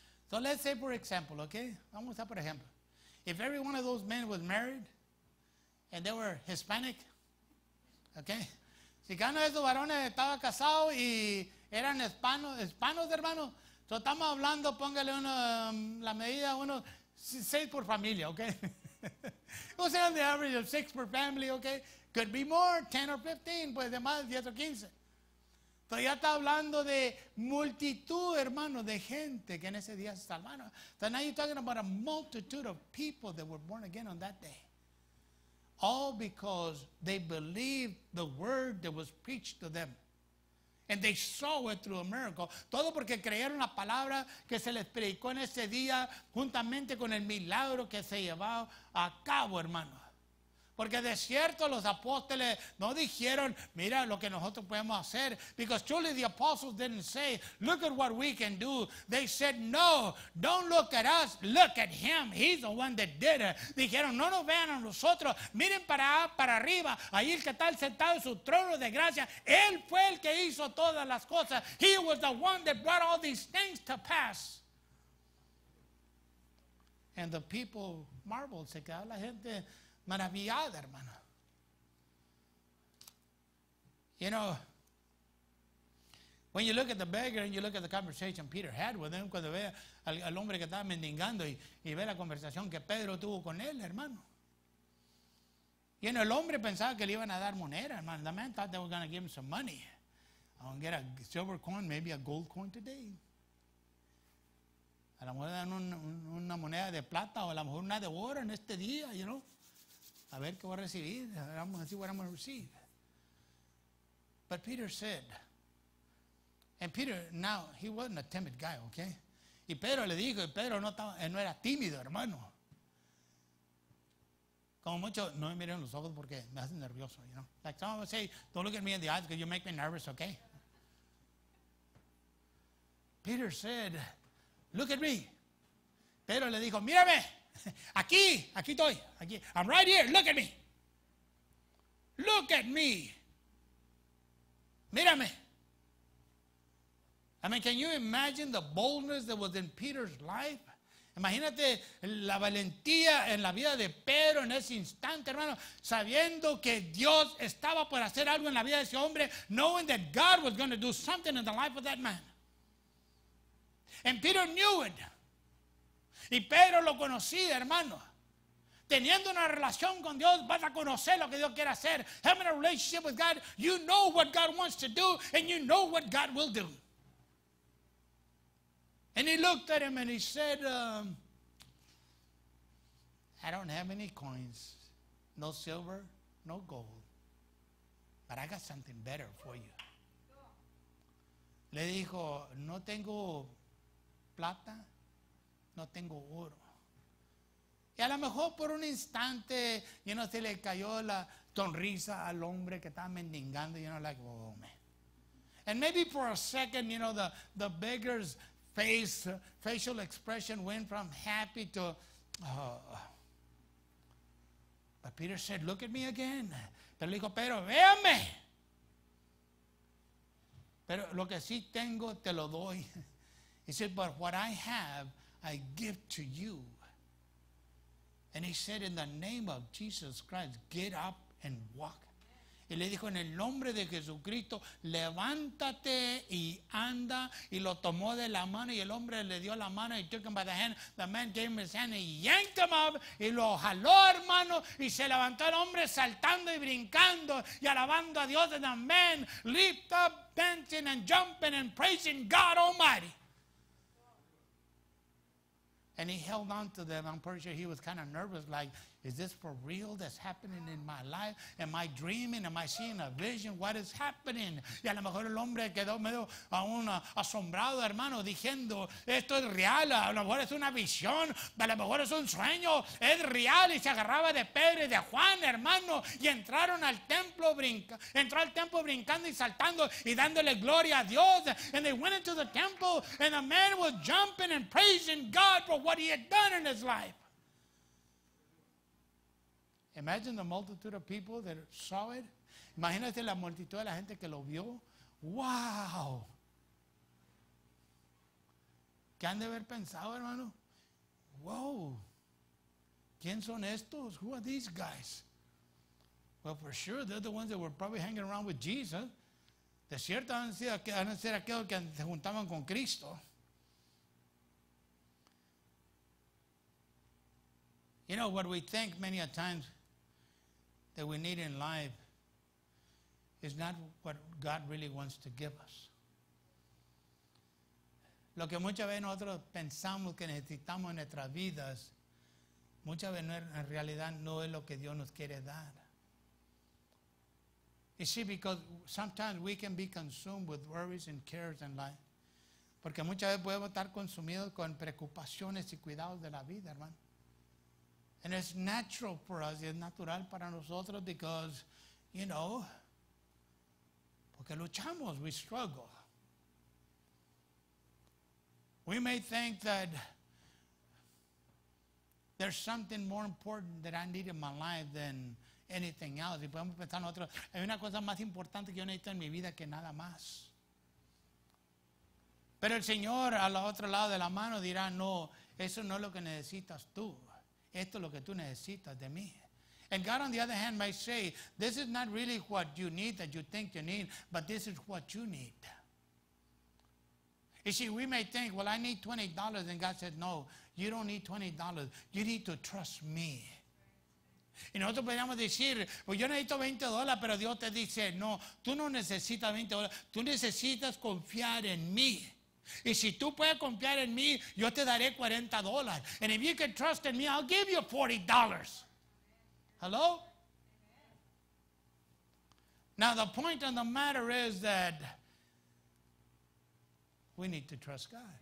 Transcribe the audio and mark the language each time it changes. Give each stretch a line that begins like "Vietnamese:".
English: So let's say, for example, okay?
Spanish: Vamos a por ejemplo.
English: If every one of those men was married and they were Hispanic, okay?
Spanish: Si cada uno de esos varones estaba casado y eran hispanos, hermano, entonces estamos hablando, póngale uno, la medida, uno, 6 por familia, ok. O sea, on the average of 6 per family, ok.
English: Could be more, 10 or 15,
Spanish: pues de más, 10 o 15. Entonces ya está hablando de multitud, hermano, de gente que en ese día se salvaron.
English: So now you're talking about a multitude of people that were born again on that day. All because they believed the word that was preached to them. And they saw it through a miracle.
Spanish: Todo porque creyeron la palabra que se les predicó en ese día juntamente con el milagro que se llevaba a cabo, hermano. Porque de cierto los apóstoles no dijeron, mira lo que nosotros podemos hacer.
English: Because truly the apostles didn't say, look at what we can do. They said, no, don't look at us, look at him. He's the one that did it.
Spanish: Dijeron, no nos vean a nosotros, miren para arriba. Ahí el que está sentado en su trono de gracia, él fue el que hizo todas las cosas.
English: He was the one that brought all these things to pass. And the people marveled,
Spanish: se quedó la gente maravillada, hermano.
English: You know, when you look at the beggar and you look at the conversation Peter had with him,
Spanish: cuando ve al hombre que estaba mendigando y ve la conversación que Pedro tuvo con él, hermano. Y en el hombre pensaba que le iban a dar moneda, hermano.
English: The man thought they were going to give him some money. I'm going to get a silver coin, maybe a gold coin today.
Spanish: A lo mejor dan una moneda de plata o a lo mejor una de oro en este día,
English: you know.
Spanish: A ver qué voy a recibir. Vamos a ver qué voy a recibir.
English: But Peter said, and Peter, now, he wasn't a timid guy, okay?
Spanish: Y Pedro le dijo, y Pedro no era tímido, hermano. Como mucho, no me miren los ojos porque me hacen nervioso,
English: you know? Like some of us say, don't look at me in the eyes because you make me nervous, okay? Peter said, look at me.
Spanish: Pedro le dijo, mírame. Aquí estoy, aquí.
English: I'm right here, look at me. Look at me.
Spanish: Mírame.
English: I mean, can you imagine the boldness that was in Peter's life?
Spanish: Imagínate la valentía en la vida de Pedro en ese instante, hermano, sabiendo que Dios estaba por hacer algo en la vida de ese hombre,
English: knowing that God was going to do something in the life of that man. And Peter knew it.
Spanish: Y Pedro lo conocía, hermano. Teniendo una relación con Dios, vas a conocer lo que Dios quiere hacer.
English: Having a relationship with God, you know what God wants to do, and you know what God will do. And he looked at him and he said, I don't have any coins, no silver, no gold, but I got something better for you.
Spanish: Le dijo, no tengo plata, no tengo oro. Y a lo mejor por un instante,
English: you know,
Spanish: se le cayó la sonrisa al hombre que estaba mendigando,
English: you know, like, oh, man. And maybe for a second, you know, the beggar's face, facial expression went from happy to, oh. But Peter said, look at me again.
Spanish: Pero le dijo, Pedro, véame. Pero lo que sí tengo, te lo doy.
English: He said, but what I have, I give to you. And he said, in the name of Jesus Christ, get up and walk.
Spanish: Y le dijo, en el nombre de Jesucristo, levántate y anda. Y lo tomó de la mano y el hombre le dio la mano.
English: He took him by the hand. The man gave him his hand and yanked him up.
Spanish: Y lo jaló, hermano. Y se levantó el hombre saltando y brincando y alabando a Dios.
English: And the man leaped up, dancing and jumping and praising God Almighty. And he held on to them. I'm pretty sure he was kind of nervous, like, is this for real that's happening in my life? Am I dreaming? Am I seeing a vision? What is happening?
Spanish: Y a lo mejor el hombre quedó medio aún asombrado, hermano, diciendo, esto es real. A lo mejor es una visión. A lo mejor es un sueño. Es real. Y se agarraba de Pedro y de Juan, hermano. Y entraron al templo, entró al templo brincando y saltando y dándole gloria a Dios.
English: And they went into the temple and the man was jumping and praising God for what he had done in his life. Imagine the multitude of people that saw it.
Spanish: Imagínate la multitud de la gente que lo vio.
English: Wow.
Spanish: ¿Qué han de haber pensado, hermano?
English: Wow.
Spanish: ¿Quién son estos?
English: Who are these guys? Well, for sure, they're the ones that were probably hanging around with Jesus.
Spanish: De cierto, han de ser aquellos que se juntaban con Cristo.
English: You know, what we think many a times that we need in life is not what God really wants to give us.
Spanish: Lo que muchas veces nosotros pensamos que necesitamos en nuestras vidas, muchas veces en realidad no es lo que Dios nos quiere dar.
English: You see, because sometimes we can be consumed with worries and cares in life.
Spanish: Porque muchas veces podemos estar consumidos con preocupaciones y cuidados de la vida, hermano.
English: And it's natural for us, it's natural
Spanish: para nosotros
English: because, you know,
Spanish: porque luchamos,
English: we struggle. We may think that there's something more important that I need in my life than anything else.
Spanish: Y podemos pensar nosotros, hay una cosa más importante que yo necesito en mi vida que nada más. Pero el Señor al otro lado de la mano dirá, no, eso no es lo que necesitas tú. Esto es lo que tú necesitas de mí.
English: And God on the other hand might say, this is not really what you need that you think you need, but this is what you need. You see, we may think, well, I need $20. And God said, no, you don't need $20. You need to trust me.
Spanish: Y nosotros podríamos decir, pues yo necesito $20, pero Dios te dice, no, tú no necesitas $20. Tú necesitas confiar en mí. Y si tú puedes confiar en mí, yo te daré $40.
English: And if you can trust in me, I'll give you $40. Hello? Now the point of the matter is that we need to trust God.